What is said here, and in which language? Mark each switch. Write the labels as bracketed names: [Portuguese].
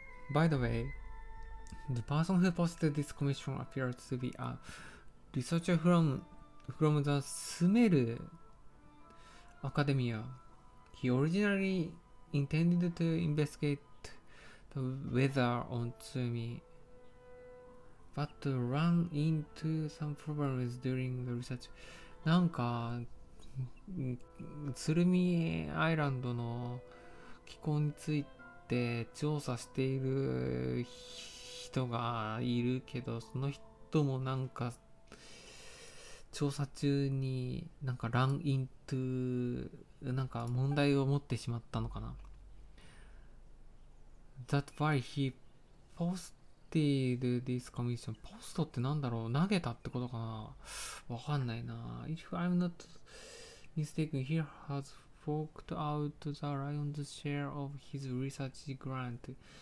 [English] By the wayThe person who posted this commission appears to be a researcher from the Sumer Academia. He originally intended to investigate the weather on Tsumi, but ran into some problems during the research. [Japanese] なんか、ツルミアイランドの気候について調査している人がいるけど、その人もなんか調査中に何かランイントゥー何か問題を持ってしまったのかな。 [English] That's why he posted this commission. [Japanese] ポストって何だろう、投げたってことかな、わかんないな。 [English] If I'm not mistaken, he has forked out the lion's share of his research grant.